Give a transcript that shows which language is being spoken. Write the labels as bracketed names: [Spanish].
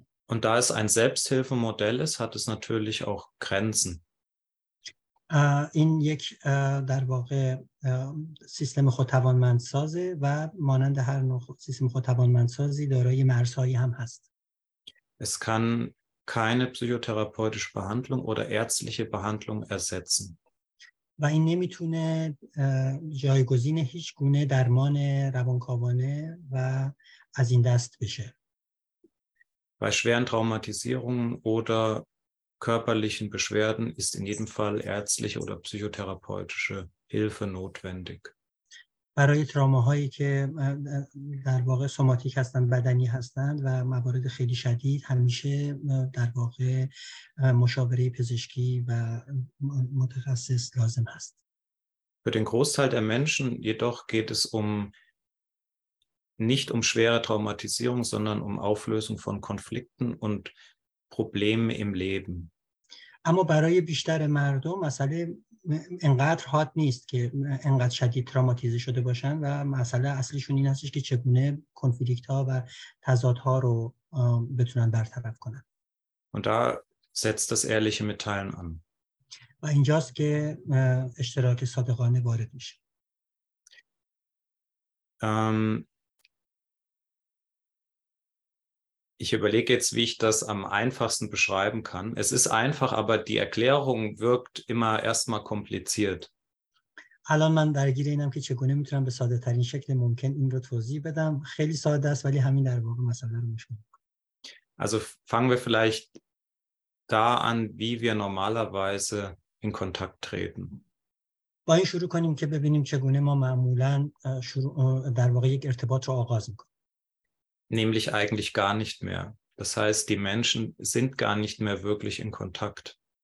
[German] Und da es ein Selbsthilfemodell ist, hat es natürlich auch Grenzen. [Persian] این یک در واقع سیستم خودتوانمندسازه و مانند هر نوع سیستم خودتوانمندسازی دارای مرزهایی هم هست. [German] Es kann keine psychotherapeutische Behandlung oder ärztliche Behandlung ersetzen. [Persian] و این نمیتونه جایگزین هیچ گونه درمان روانکاوانه و از این دست بشه. [German] Bei schweren Traumatisierungen oder körperlichen Beschwerden ist in jedem Fall ärztliche oder psychotherapeutische Hilfe notwendig. [Persian] برای تروماهایی که در واقع سوماتیک هستند، بدنی هستند و موارد خیلی شدید، همیشه در واقع مشاوره پزشکی و متخصص لازم هست. [German] Für den Großteil der Menschen jedoch geht es nicht um schwere Traumatisierung, sondern um Auflösung von Konflikten und Problemen im Leben. [Persian] اما برای بیشتر مردم مسئله انقدر حاد نیست که انقدر شدید تروماتیزه شده باشن و مسئله اصلیشون این هستش که چگونه کنفلیکت ها و تضاد ها رو بتونن برطرف کنن. [German] Und da setzt das ehrliche Mitteilen an. [Persian] و اینجاست که اشتراک صادقانه وارد میشه. [German] Ich überlege jetzt, wie ich das am einfachsten beschreiben kann. Es ist einfach, aber die Erklärung wirkt immer erstmal kompliziert. [Persian] الان من درگیر اینم که چگونه میتونم به ساده ترین شکل ممکن این رو توضیح بدم. خیلی ساده است ولی همین در واقع مسئله رو مشکل می‌کنه. [German] Also fangen wir vielleicht da an, wie wir normalerweise in Kontakt treten. [Persian] با این شروع کنیم که ببینیم چگونه ما معمولا شروع در واقع یک ارتباط رو آغاز می‌کنیم. [German] Nämlich eigentlich gar nicht mehr. Das heißt, die Menschen sind gar nicht mehr wirklich in Kontakt.